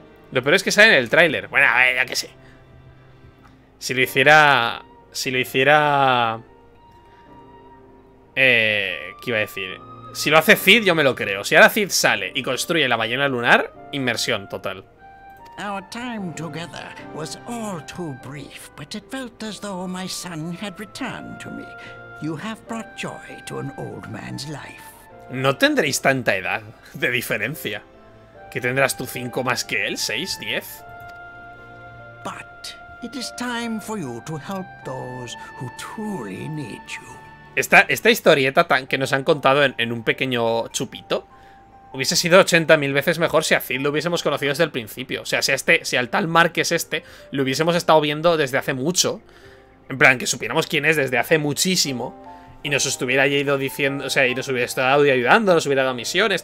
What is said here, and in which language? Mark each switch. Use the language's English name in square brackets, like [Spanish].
[Spanish] Lo peor es que sale en el tráiler. Bueno, a ver, ya que sé. Si lo hiciera... si lo hiciera... ¿qué iba a decir? Si lo hace Cid, yo me lo creo. Si ahora Cid sale y construye la ballena lunar, inmersión total. [English] Our time together was all too brief, but it felt as though my son had returned to me. You have brought joy to an old man's life. [Spanish] No tendréis tanta edad de diferencia. ¿Qué tendrás tú 5 más que él? ¿6? ¿10? [English] But it is time for you to help those who truly need you. [Spanish] Esta historieta tan que nos han contado en un pequeño chupito hubiese sido 80.000 veces mejor si a Cid lo hubiésemos conocido desde el principio. O sea, si al tal Mark es este, lo hubiésemos estado viendo desde hace mucho. En plan, que supiéramos quién es desde hace muchísimo. Y nos estuviera ido diciendo, o sea, y nos hubiera estado ayudando, nos hubiera dado misiones.